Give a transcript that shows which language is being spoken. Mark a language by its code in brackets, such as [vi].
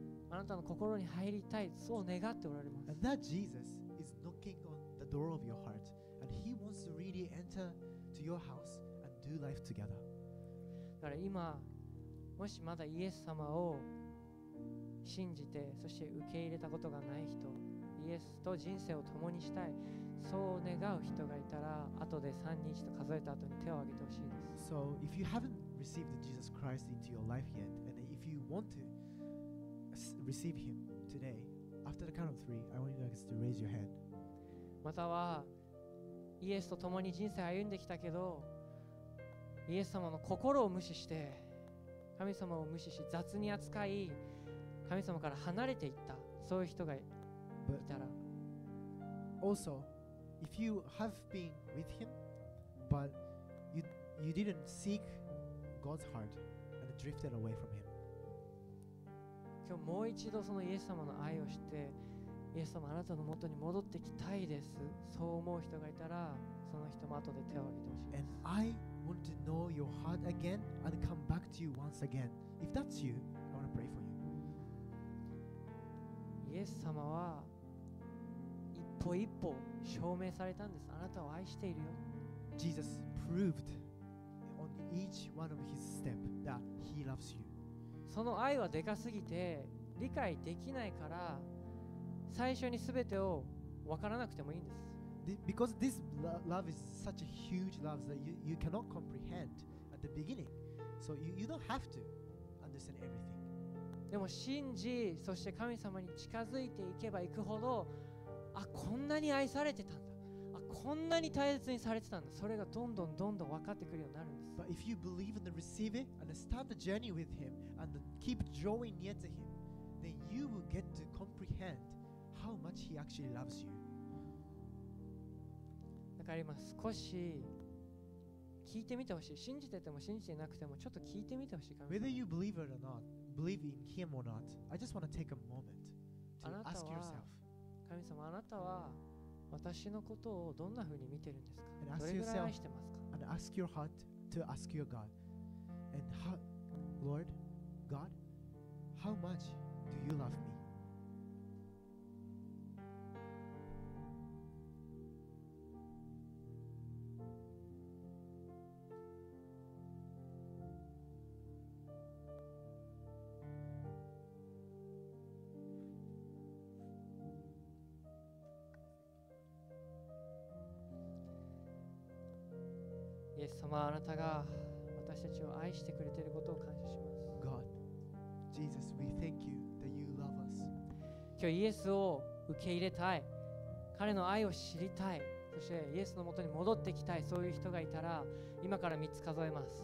[ja] あなたの心に入りたい、そう願っておられます。 [en] And that Jesus is knocking on the door of your heart, and he wants to really enter to your house and do life together. [ja] だから今、もしまだイエス様を信じて、そして受け入れたことがない人、イエスと人生を共にしたい、そう願う人がいたら、後で3人と数えた後に手を挙げてほしいです。 [en] So if you haven't received Jesus Christ into your life yet, and if you want to,Receive him today. After the count of three, I want you guys to raise your hand. [ja] またはイエスと共に人生歩んできたけど、イエス様の心を無視して、神様を無視し、雑に扱い、神様から離れていった、そういう人がいたら。 [en] Also, if you have been with him, but you didn't seek God's heart and drifted away from him. [ja] 今日もう一度そのイエス様の愛を知って、イエス様あなたの元に戻ってきたいです、そう思う人がいたら、その人も後で手を挙げてほしい。 [en] And I want to know your heart again and come back to you once again. If that's you, I want to pray for you. [ja] イエス様は一歩一歩証明されたんです、あなたを愛しているよ。 [en] Jesus proved on each one of his steps that he loves you. [ja] その愛はでかすぎて理解できないから、最初にすべてを分からなくてもいいんです。 [en] Because this love is such a huge love that you cannot comprehend at the beginning, so you don't have to understand everything. [ja] でも信じ、そして神様に近づいていけばいくほど、あ、こんなに愛されてたんだ、あ、こんなに大切にされてたんだ、それがどんどんどんどん分かってくるようになるんです。 [en] But if you believe and receive it and start the journey with him and keep drawing near to him, you will get to comprehend how much he actually loves you. [ja] わかります。少し聞いてみてほしい。信じてても信じてなくてもちょっと聞いてみてほしい。 [en] Whether you believe it or not, believe in him or not, I just want to take a moment to ask yourself. [ja] 神様、あなたは私のことをどんな風に見てるんですか。どれぐらい愛してますか。 [en] And ask your heart to ask your God. And how, Lord, God, how much do you love me? [ja] イエス様、あなたが私たちを愛してくれていることを感謝します。 [en] God, Jesus, we thank you that you love us. [ja] 今日イエスを受け入れたい、彼の愛を知りたい、そしてイエスのもとに戻ってきたい、そういう人がいたら今から3つ数えます。